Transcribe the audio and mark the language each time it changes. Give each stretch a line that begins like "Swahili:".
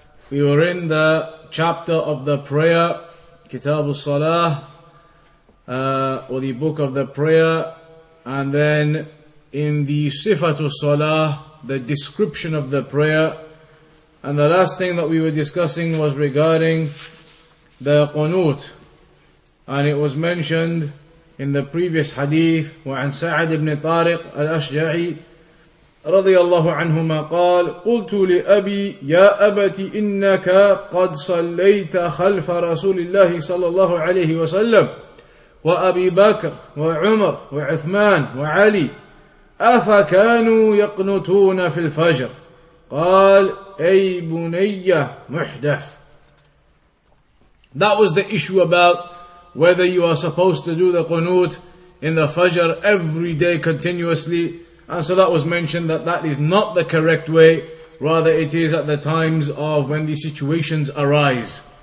English: We were in the chapter of the prayer, Kitab al-Salah, or the book of the prayer, and then in the Sifat al-Salah, the description of the prayer. And the last thing that we were discussing was regarding the Qunut. And it was mentioned in the previous hadith,
Arabic: وعن سعد ibn Tariq al-Ashja'i, رضي الله عنهما قال قلت لأبي يا أبتي إنك قد صليت خلف رسول الله صلى الله عليه وسلم وأبي بكر وعمر وعثمان وعلي أفكانوا يقنتون في الفجر قال أي بني محدث.
English: That was the issue about whether you are supposed to do the qunut in the fajr every day continuously. And so that was mentioned that that is not the correct way, rather it is at the times of when the situations arise.